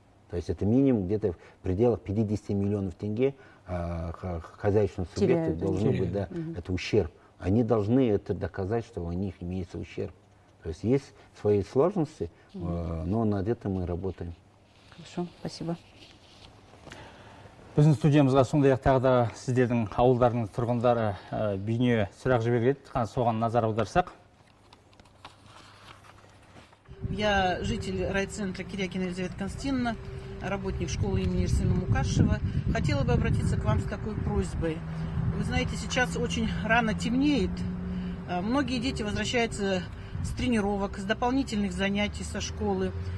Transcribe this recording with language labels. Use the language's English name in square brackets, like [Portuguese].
[Russian] То есть это минимум где-то в пределах 50 миллионов тенге хозяйственных субъектов должны быть, да, угу. Это ущерб. Они должны это доказать, что у них имеется ущерб. То есть свои сложности, но над этим мы работаем. Хорошо, спасибо. [Kazakh] Біздің студиямызға сондай-ақ тағы да сіздердің ауылдарының тұрғындары бейне сұрақ жіберген, қан соған назар аударсақ. [Russian] Я житель райцентра Кирякина Елизавета Константиновна, работник школы имени Ерсина Мукашева. Хотела бы обратиться к вам с такой просьбой. Вы знаете, сейчас очень рано темнеет. Многие дети возвращаются с тренировок, с дополнительных занятий со школы.